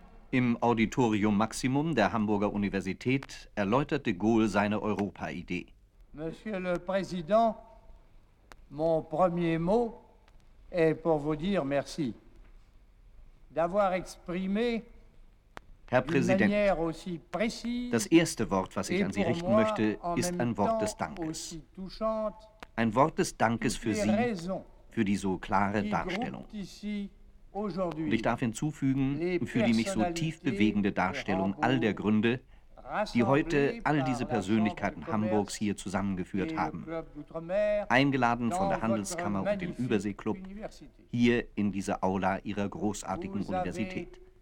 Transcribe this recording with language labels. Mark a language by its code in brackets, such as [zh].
[de] Im Auditorium Maximum der Hamburger Universität erläutert de Gaulle seine Europa-Idee. [fr] Monsieur le Président, mon premier mot est pour vous dire merci d'avoir exprimé [de] Herr Präsident, das erste Wort, was ich an Sie richten möchte, ist ein Wort des Dankes. Ein Wort des Dankes für Sie, für die so klare Darstellung. Und ich darf hinzufügen, für die mich so tief bewegende Darstellung all der Gründe, die heute all diese Persönlichkeiten Hamburgs hier zusammengeführt haben, eingeladen von der Handelskammer und dem Überseeklub, hier in diese Aula ihrer großartigen Universität.